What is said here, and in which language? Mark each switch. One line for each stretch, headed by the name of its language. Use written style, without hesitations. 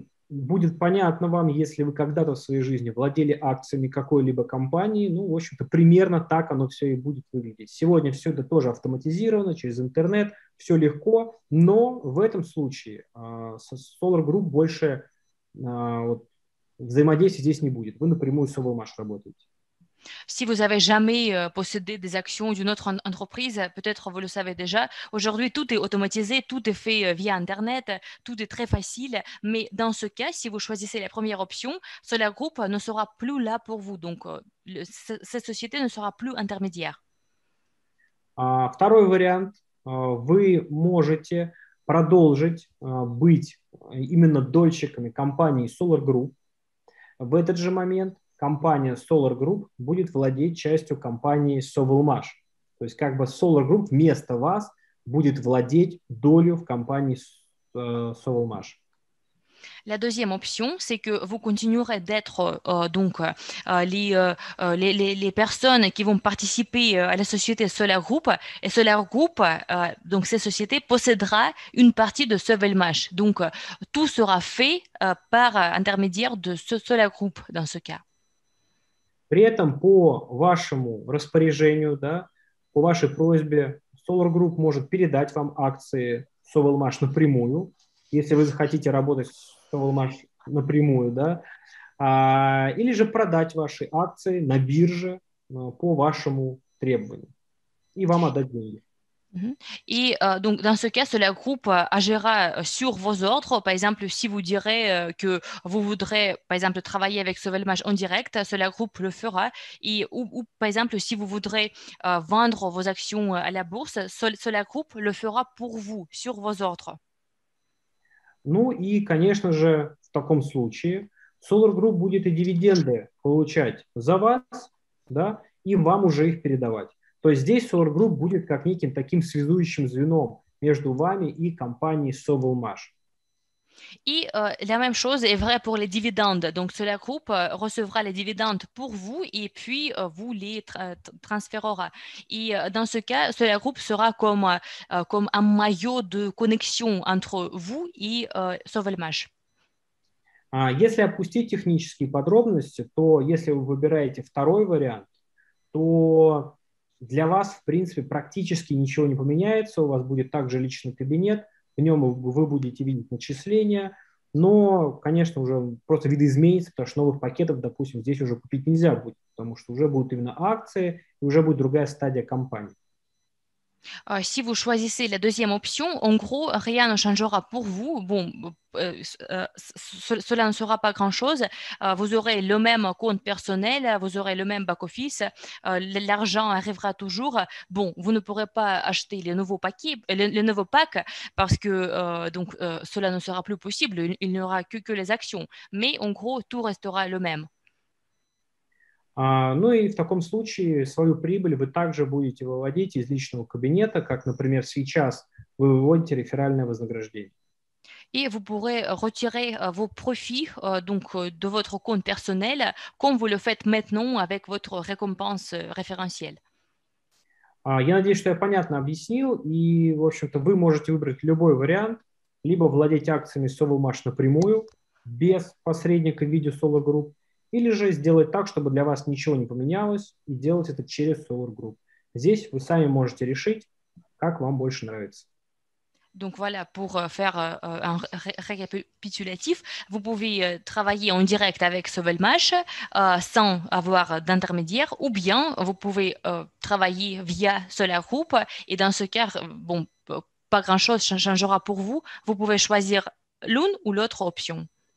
Russian: Будет понятно вам, если вы когда-то в своей жизни владели акциями какой-либо компании, ну, в общем-то, примерно так оно все и будет выглядеть. Сегодня все это тоже автоматизировано через интернет, все легко, но в этом случае Solar Group больше вот, взаимодействия здесь не будет. Вы напрямую с Overmash работаете.
French: Si vous avez jamais possédé des actions d'une autre entreprise, peut-être vous le savez déjà, aujourd'hui tout est automatisé, tout est fait via Internet, tout est très facile. Mais dans ce cas, si vous choisissez la première option, Solar Group ne sera plus là pour vous. Donc, cette société ne sera plus intermédiaire.
Russian: Второй вариант. Вы можете продолжить быть именно дольщиками компании Solar Group в этот же момент. Компания Solar Group будет владеть частью компании Sovelmash. То есть как бы Solar Group вместо вас будет владеть долю в компании Sovelmash.
French: La deuxième option, c'est que vous continuerez d'être donc les personnes qui vont participer à la société Solar Group et Solar Group donc cette société possédera une partie de Sovelmash. Donc tout sera fait par intermédiaire de ce Solar Group dans ce cas.
Russian: При этом по вашему распоряжению, да, по вашей просьбе, Solar Group может передать вам акции Sovelmash напрямую, если вы захотите работать с Sovelmash напрямую, да, или же продать ваши акции на бирже по вашему требованию и вам отдать деньги.
French: Et donc, dans ce cas, Solar Group agira sur vos ordres. Par exemple, si vous direz que vous voudrez, par exemple, travailler avec Sovelmash en direct, Solar Group le fera. Et, ou, par exemple, si vous voudrez vendre vos actions à la bourse, Solar Group le fera pour vous, sur vos ordres.
Russian: Ну и, конечно же, в таком случае, Solar Group будет и дивиденды получать за вас, да, и вам уже их передавать. То есть здесь Solar Group будет как неким таким связующим звеном между вами и компанией Sovelmash. И
French: la même chose est vraie pour les dividendes. Donc Solar Group recevra les dividendes pour vous et puis vous les transférera. Et dans ce cas, Solar Group sera comme comme un maillot de connexion entre vous et Sovelmash.
Russian: Если опустить технические подробности, то если вы выбираете второй вариант, то для вас, в принципе, практически ничего не поменяется. У вас будет также личный кабинет, в нем вы будете видеть начисления, но, конечно, уже просто видоизменится, потому что новых пакетов, допустим, здесь уже купить нельзя будет, потому что уже будут именно акции, и уже будет другая стадия компании.
French: Si vous choisissez la deuxième option, en gros, rien ne changera pour vous. Bon, cela ne sera pas grand-chose. Vous aurez le même compte personnel, vous aurez le même back-office. L'argent arrivera toujours. Bon, vous ne pourrez pas acheter les nouveaux paquets, les nouveaux packs, parce que donc, cela ne sera plus possible. Il n'y aura que les actions. Mais en gros, tout restera le même.
Russian: Ну и в таком случае свою прибыль вы также будете выводить из личного кабинета, как, например, сейчас вы выводите реферальное вознаграждение. И вы
French: pourrez retirer vos profits donc de votre compte personnel comme vous le faites maintenant avec votre récompense référentielle.
Russian: Я надеюсь, что я понятно объяснил, и, в общем-то, вы можете выбрать любой вариант, либо владеть акциями Sovelmash напрямую, без посредника в виде Solar Group, или же сделать так, чтобы для вас ничего не поменялось, и делать это через Solar Group. Здесь вы сами можете решить, как вам больше нравится.
French: Donc voilà, pour faire un récapitulatif, vous pouvez travailler en direct avec Sovelmash sans avoir d'intermédiaire, ou bien vous pouvez travailler via Solar Group, et dans ce cas, bon, pas grand-chose changera pour vous, vous pouvez choisir l'une ou l'autre option.